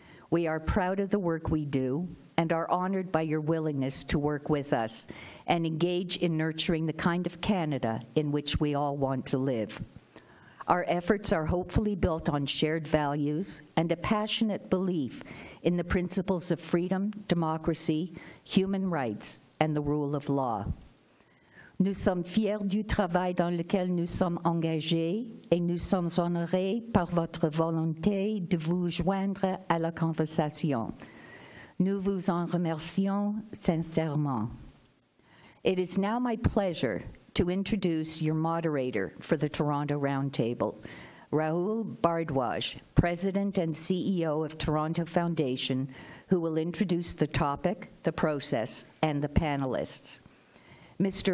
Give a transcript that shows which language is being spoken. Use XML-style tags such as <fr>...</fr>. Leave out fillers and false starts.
<en>We are proud of the work we do and are honored by your willingness to work with us and engage in nurturing the kind of Canada in which we all want to live. Our efforts are hopefully built on shared values and a passionate belief in the principles of freedom, democracy, human rights, and the rule of law.</en> <fr>Nous sommes fiers du travail dans lequel nous sommes engagés et nous sommes honorés par votre volonté de vous joindre à la conversation. Nous vous en remercions sincèrement.</fr> <en>It is now my pleasure to introduce your moderator for the Toronto Roundtable, Rahul Bhardwaj, President and CEO of Toronto Foundation, who will introduce the topic, the process, and the panelists. Mr.</en>